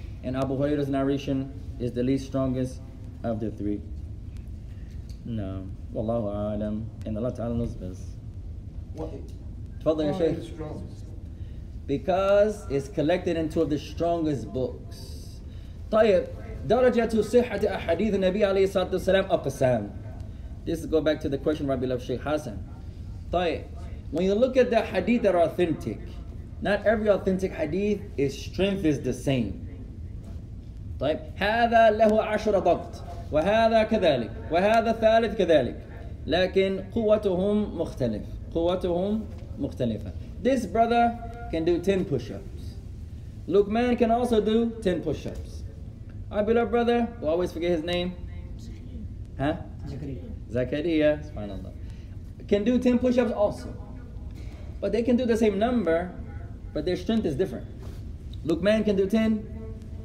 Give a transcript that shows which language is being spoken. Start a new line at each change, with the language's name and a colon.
English: And Abu Huraira's narration is the least strongest of the three. No.
Arabic: Wallahu alam.
English: And Allah Ta'ala knows best. What?
Arabic: Tfadla ya Shaykh.
English: Why is it strongest? Because it's collected in two of the strongest books.
Arabic: Tayyib. درجة صحة أحاديث النبي عليه الصلاة والسلام أقسام.
English: This go back to the question Rabbi Love Sheikh Hassan. طيب, when you look at the hadith that are authentic, not every authentic hadith is strength is the same.
Arabic: طيب, هذا له عشر ضبط وهذا كذلك وهذا ثالث كذلك لكن قوتهم مختلف. قوتهم مختلفة.
English: This brother can do 10 push-ups. Luqman can also do 10 push-ups. Our beloved brother, we always forget his name. Huh? Zakaria. Subhanallah. Can do 10 push-ups also. But they can do the same number, but their strength is different. Luqman can do 10.